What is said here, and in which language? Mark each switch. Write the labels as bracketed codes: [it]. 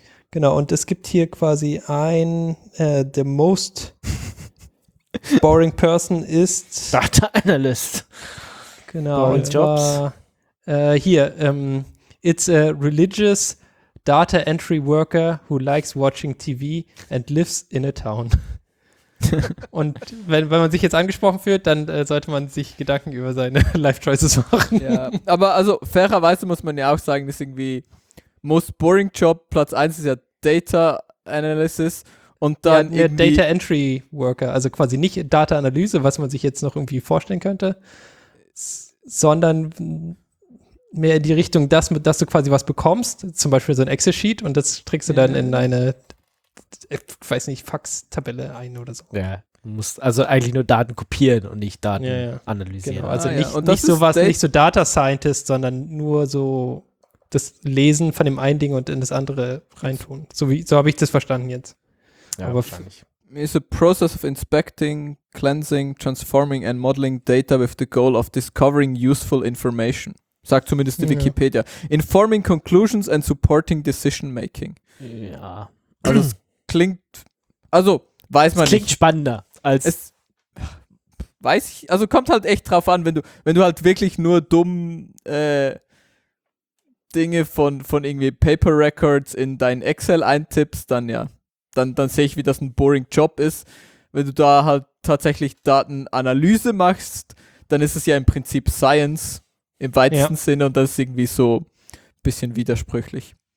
[de] Genau, und es gibt hier quasi ein [en] the most boring person [de] ist [en] Data Analyst. [de] Genau, boring und Jobs. Zwar, hier, [en] it's a religious data entry worker who likes watching TV and lives in a town. [de] Und wenn man sich jetzt angesprochen fühlt, dann sollte man sich Gedanken über seine Life-Choices machen. Ja, aber also fairerweise muss man ja auch sagen, das ist irgendwie Most Boring Job, Platz 1 ist ja Data Analysis und dann ja, irgendwie Data Entry Worker, also quasi nicht Data Analyse, was man sich jetzt noch irgendwie vorstellen könnte, sondern mehr in die Richtung, dass du quasi was bekommst, zum Beispiel so ein Excel-Sheet und das trägst du dann in eine, ich weiß nicht, Fax-Tabelle ein oder so. Ja, du musst also eigentlich nur Daten kopieren und nicht Daten analysieren. Genau. Also nicht so was, nicht so Data Scientist, sondern nur so das Lesen von dem einen Ding und in das andere reintun. So habe ich das verstanden jetzt. Ja, aber wahrscheinlich. [en] Is a process of inspecting, cleansing, transforming and modeling data with the goal of discovering useful information. [de] Sagt zumindest die Wikipedia. [en] Informing conclusions and supporting decision making. [de] Ja. Also es klingt, also weiß man nicht. Es klingt spannender als es, weiß ich, also kommt halt echt drauf an, wenn du halt wirklich nur dumm Dinge von irgendwie Paper Records in dein Excel eintippst, dann ja. Dann sehe ich, wie das ein boring Job ist. Wenn du da halt tatsächlich Datenanalyse machst, dann ist es ja im Prinzip Science im weitesten Sinne und das ist irgendwie so ein bisschen widersprüchlich.